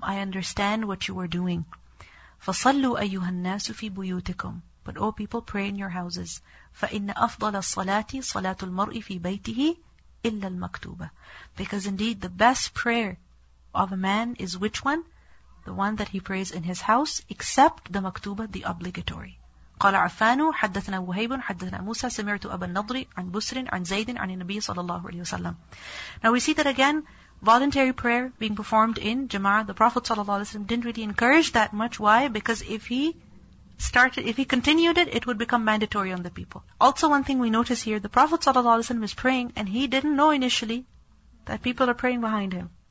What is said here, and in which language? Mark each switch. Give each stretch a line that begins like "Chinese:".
English: I understand what you were doing.
Arabic: فَصَلُّوا أَيُّهَا النَّاسُ فِي بُيُوتِكُمْ.
English: But oh people, pray in your houses.
Arabic: فَإِنَّ أَفْضَلَ الصَّلَاةِ صَلَاةُ الْمَرْءِ فِي بَيْتِهِ إِلَّا الْمَكْتُوبَةِ.
English: Because indeed the best prayer of a man is which one? The one that he prays in his house, except the maktuba, the obligatory.
Arabic: قال عفانو حدثنا وهيب حدثنا موسى سمعت أبا النضر عن بسر عن زيد عن النبي صلى الله عليه وسلم.
English: Now we see that again, voluntary prayer being performed in jama'ah, the Prophet صلى الله عليه وسلم didn't really encourage that much. Why? Because if he continued it, it would become mandatory on the people. Also one thing we notice here, the Prophet صلى الله عليه وسلم is praying and he didn't know initially that people are praying behind him.